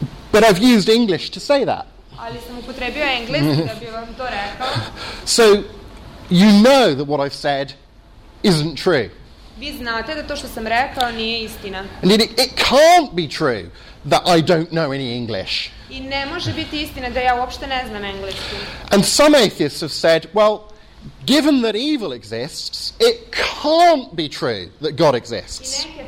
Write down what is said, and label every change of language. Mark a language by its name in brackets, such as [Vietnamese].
[English] But I've used English to say that. [Serbian] Ali sam upotrebio engleski da bi vam to rekao. [English] So you know that what I've said isn't true. [Serbian] Vi znate da to što sam rekao nije istina. [English] And it can't be true that I don't know any English. [Serbian] I ne može biti istina da ja uopšte ne znam engleski. [English] And some atheists have said, well, given that evil exists, it can't be true that God exists.